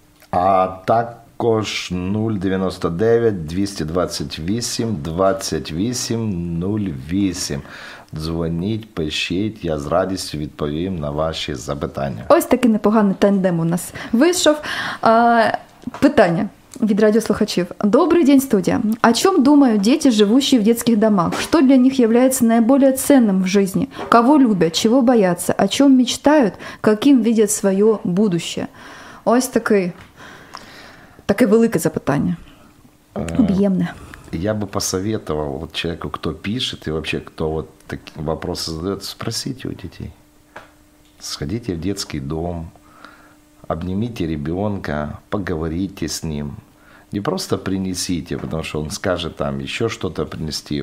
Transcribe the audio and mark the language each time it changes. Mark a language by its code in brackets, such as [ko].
[uk] А також 099 228 28 08. Дзвоніть, пишіть, я з радістю відповім на ваші запитання. Ось такий непоганий тандем у нас вийшов. Питання від радіослухачів. Добрий день, студія. [ru] О чем думают дети, живущие в детских домах? Что для них является наиболее ценным в жизни? Кого любят? Чего боятся? О чем мечтают? Каким видят свое будущее? [uk] Ось таке велике запитання. Об'ємне. [ru] Я бы посоветовал вот человеку, кто пишет и вообще кто вот такие вопросы задает, спросите у детей. Сходите в детский дом. Обнимите ребенка, поговорите с ним. Не просто принесите, потому что он скажет там еще что-то принести.